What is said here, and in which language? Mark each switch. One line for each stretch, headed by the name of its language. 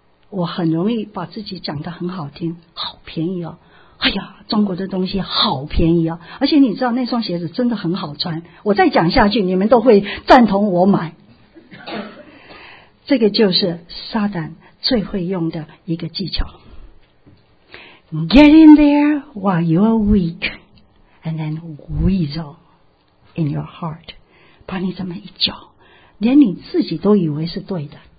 Chinese: 我很容易把自己讲得很好听，好便宜哦。哎呀，中国的东西好便宜啊，而且你知道那双鞋子真的很好穿，我再讲下去你们都会赞同我买。这个就是撒旦最会用的一个技巧。
English: Get in there while you are weak, and then weasel in your heart.
Chinese: 把你怎么一搅，连你自己都以为是对的。